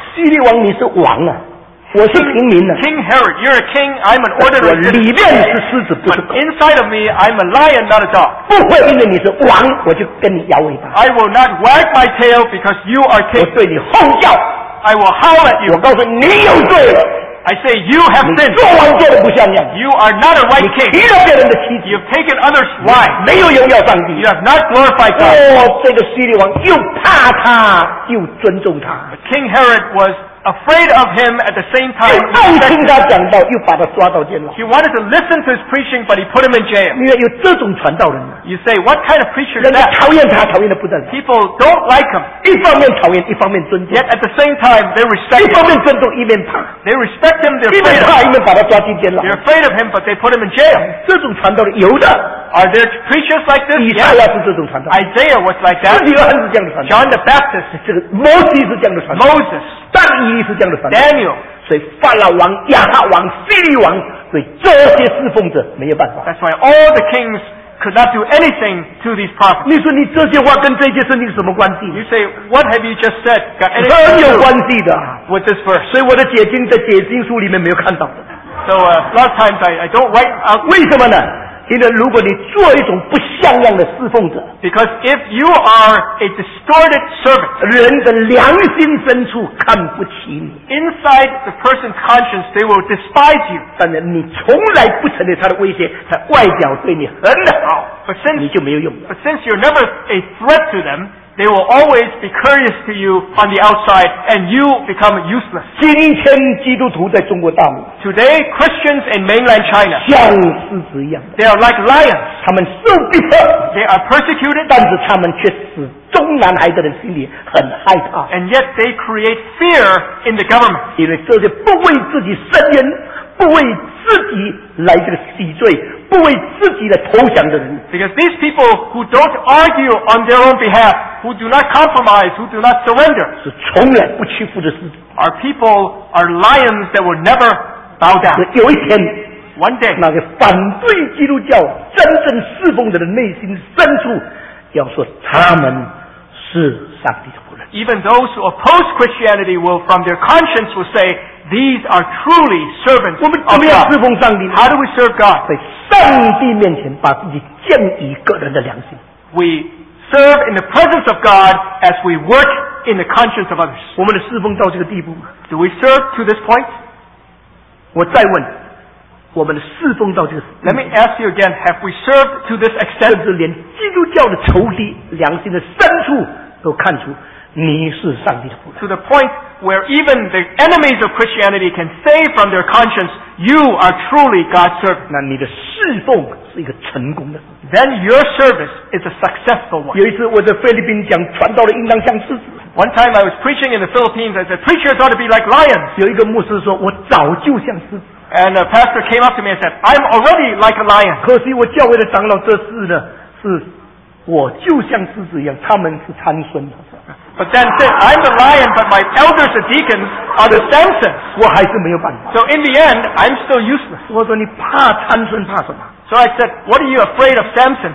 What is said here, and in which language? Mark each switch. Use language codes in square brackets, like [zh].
[zh] 希律王你是王啊，我是平民的、啊。 [en] King Herod, you're a king. I'm an ordinary. [zh] 我里面是狮子，不是狗。 [en] But inside of me, I'm a lion, not a dog. [zh] 不会，因为你是王，我就跟你摇尾巴。 [en] I will not wag my tail because you are king. [zh] 我对你吼叫。 [en] I will howl at you. [zh] 我告诉你，你有罪了。 [en] I say you have sinned. [zh] 你做王做的不像样。 [en] You are not a right king. [zh] 你欺了别人的妻子。 [en] You've taken others' wives. [zh] 没有荣耀上帝。 [en] You have not glorified God. [zh] 哦，这个希律王又怕他，又尊重他。 [en] King Herod was afraid of him at the same time. [zh] 又爱听他讲道，又把他抓到监牢。 [en] He wanted to listen to his preaching, but he put him in jail. [zh] 你看有这种传道人吗 [en] ？You say what kind of preacher is that? [zh] 人家讨厌他，讨厌的不得了。 [en] People don't like him. [zh] 一方面讨厌，一方面尊敬。 [en] Yet at the same time, they respect. [zh] 一方面尊重，一面怕。 [en] They respect him. They're afraid. [zh] 一面怕，一面把他抓进监牢。 [en] They're afraid of him, but they put him in jail. [zh] 这种传道人有的。 [en] Are there preachers like this? [zh] 以赛亚是这种传道。 [en] Isaiah was like that. [zh] 是约翰是这样的传道。 [en] John the Baptist. [zh] 这个摩西是这样的传道。 [en] Moses. [zh] 但以利是这样的传道。 [en] Daniel. [zh] 所以法老王、亚哈王、希律王，所以这些侍奉者没有办法。 [en] That's why all the kings could not do anything to these prophets. [zh] 你说你这些话跟这些圣经什么关系？ [en] You say what have you just said got anything to do? [zh] 很有关系的。 [en] With this verse. [zh] 所以我的解经在解经书里面没有看到的。 [en] So lots of times I don't write out. [zh] 为什么呢？因为如果你做一种不像样的侍奉者 [en] because if you are a distorted servant [zh] 人的良心深处看不起你 [en] inside the person's conscience they will despise you [zh] 但是你从来不承认他的威胁他外表对你很好 [en] but since, [zh] 你就没有用 [en] but since you're never a threat to them they will always be courteous to you on the outside and you become useless [zh] 今天基督徒在中国大陆 [en] today Christians in mainland China [zh] 像狮子一样 [en] they are like lions [zh] 他们受逼迫 [en] they are persecuted [zh] 但是他们却使中南海的人心里很害怕 [en] and yet they create fear in the government [zh] 因为这些不为自己伸冤不为自己来这个洗罪不为自己的投降的人 [en] because these people who don't argue on their own behalf who do not compromise who do not surrender [zh] 是从来不屈服的狮子 [en] our people are lions that will never bow down [zh] 有一天 [en] one day [zh] 那个反对基督教真正侍奉的人内心深处要说他们是上帝的仆人 [en] even those who oppose Christianity will from their conscience will say these are truly servants [zh] 我们怎么样侍奉上帝 [en] how do we serve God [zh] 在上帝面前把自己建以个人的良心 [en] we serve in the presence of God as we work in the conscience of others [zh] 我们的侍奉到这个地步 [en] do we serve to this point [zh] 我再问我们的侍奉到这个地步 [en] let me ask you again have we served to this extent [zh] 甚至连基督教的仇敌良心的深处都看出你是上帝的仆人 [en] to the point where even the enemies of Christianity can say from their conscience you are truly God's servant [zh] 那你的侍奉是一个成功的 [en] then your service is a successful one [zh] 有一次我在菲律宾讲传道的应当像狮子 [en] one time I was preaching in the Philippines I said preachers ought to be like lions [zh] 有一个牧师说我早就像狮子 [en] and a pastor came up to me and said I'm already like a lion [zh] 可惜我教会的长老这事呢是我就像狮子一样他们是参孙的 [en] But then said, I'm the lion, but my elders, the deacons, are the Samsons. [zh] 我还是没有办法。 [en] So in the end, I'm still useless. [zh] 我说你怕参孙怕什么 [en] So I said, what are you afraid of Samson?